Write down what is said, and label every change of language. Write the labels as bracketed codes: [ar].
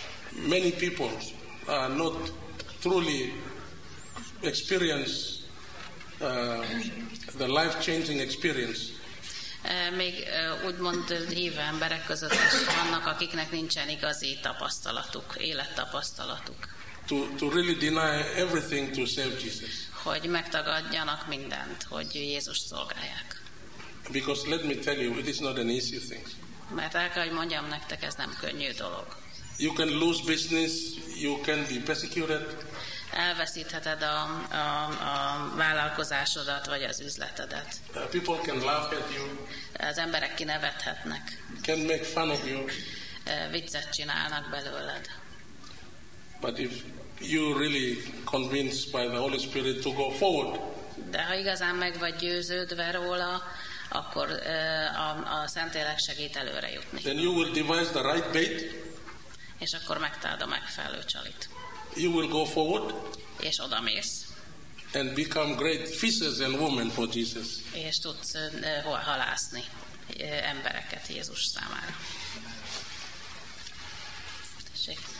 [en] Many people are not truly experience the life-changing experience. [hu] Még úgymond hívő emberek között is vannak, akiknek nincsen igazi tapasztalatuk, élettapasztalatuk. [en] To really deny everything to save Jesus. [hu] Hogy megtagadjanak mindent, hogy Jézust szolgálják. [en] Because let me tell you, it is not an easy thing. [hu] Mert el kell, hogy mondjam nektek, ez nem könnyű dolog. [en] You can lose business, you can be persecuted. [hu] Elveszítheted a vállalkozásodat, vagy az üzletedet. [en] People can laugh at you. [hu] Az emberek kinevethetnek. [en] Can make fun of you. [hu] Viccet csinálnak belőled. [en] But if you really convinced by the Holy Spirit to go forward. [hu] De ha igazán meg vagy győződve róla, akkor a Szentlélek segít előre jutni. [en] Then you will devise the right bait. [hu] És akkor megtaláld a megfelelő csalit. [en] You will go forward. [hu] És oda mész. [en] And become great fishers and women for Jesus. [hu] És tudsz halászni embereket Jézus számára. Tessék.